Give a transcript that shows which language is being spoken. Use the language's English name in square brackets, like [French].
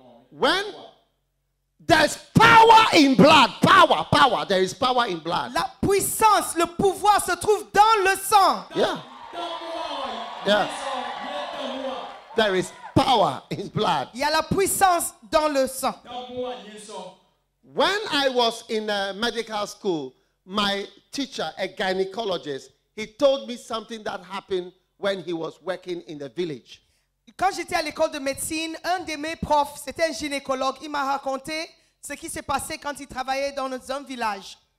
[English] When there's power in blood, power, power, there is power in blood. [French] La puissance, le pouvoir se trouve dans le sang. [English] Yeah. Yeah. There is power in blood. [French] Il y a la puissance dans le sang. [English] When I was in a medical school, my teacher, a gynecologist, he told me something that happened when he was working in the village. [French] Quand j'étais à l'école de médecine, un de mes profs, c'était un gynécologue, il m'a raconté ce qui s'est passé quand il travaillait dans un village.